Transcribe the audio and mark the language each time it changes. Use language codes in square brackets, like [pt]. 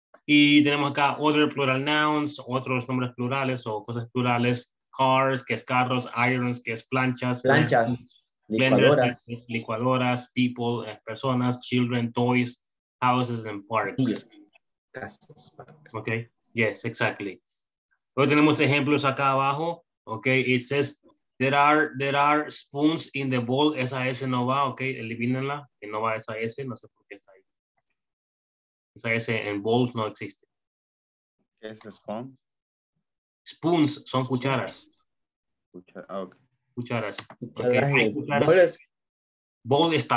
[es] Y tenemos acá [en] other plural nouns, [es] otros nombres plurales o cosas plurales. Cars, que es carros, irons, que es planchas. Planchas, [en] blenders, licuadoras, people, personas, children, toys, houses and parks. [es] Casas, [en] ok, yes, exactly. [es] Luego tenemos ejemplos acá abajo. [en] Ok, it says there are spoons in the bowl. [es] Esa S no va, ok, elimínenla. Que no va esa S, no sé por qué está ahí. Esa S en bowls no existe. ¿Qué es spoon? Spoons son cucharas. [en] Okay. [es] Cucharas. Okay. Hay cucharas. Bowl está